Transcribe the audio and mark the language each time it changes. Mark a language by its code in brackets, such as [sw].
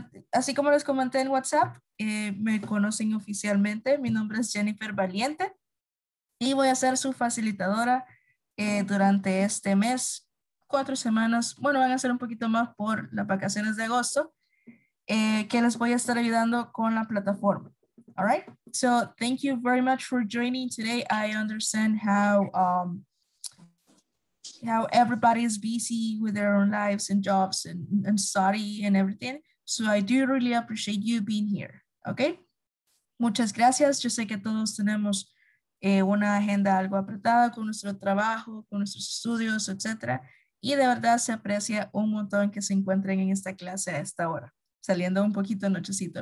[es] Así como les comenté en WhatsApp, me conocen oficialmente. Mi nombre es Jennifer Valiente y voy a ser su facilitadora durante este mes, 4 semanas. Bueno, van a ser un poquito más por las vacaciones de agosto. Que les voy a estar ayudando con la plataforma. [en] All right. So, thank you very much for joining today. I understand how everybody is busy with their own lives and jobs and study and everything. So, I do really appreciate you being here. [es] Okay. Muchas gracias. Yo sé que todos tenemos una agenda algo apretada con nuestro trabajo, con nuestros estudios, etcétera. Y de verdad se aprecia un montón que se encuentren en esta clase a esta hora, saliendo un poquito nochecito.